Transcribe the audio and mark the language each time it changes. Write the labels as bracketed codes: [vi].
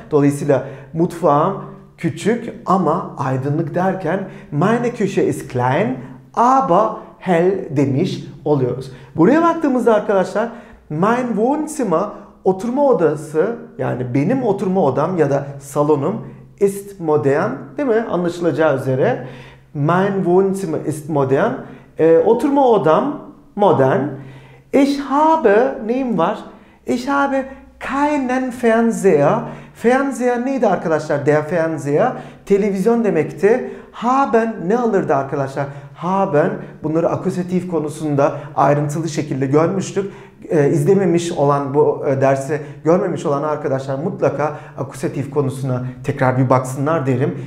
[tr] Dolayısıyla mutfağım küçük ama aydınlık derken [de] meine Küche ist klein, aber hell [tr] demiş oluyoruz. Buraya baktığımızda arkadaşlar [de] mein Wohnzimmer, [tr] oturma odası, yani benim oturma odam ya da salonum [de] ist modern, [tr] değil mi? Anlaşılacağı üzere [de] mein Wohnzimmer ist modern. [tr] Oturma odam modern. [de] Ich habe, [tr] neyim var? [de] Ich habe keinen Fernseher. [tr] Fernseher neydi arkadaşlar? Der Fernseher televizyon demekti. Haben ne alırdı arkadaşlar? Haben, bunları akusatif konusunda ayrıntılı şekilde görmüştük. İzlememiş olan, bu dersi görmemiş olan arkadaşlar mutlaka akusatif konusuna tekrar bir baksınlar derim.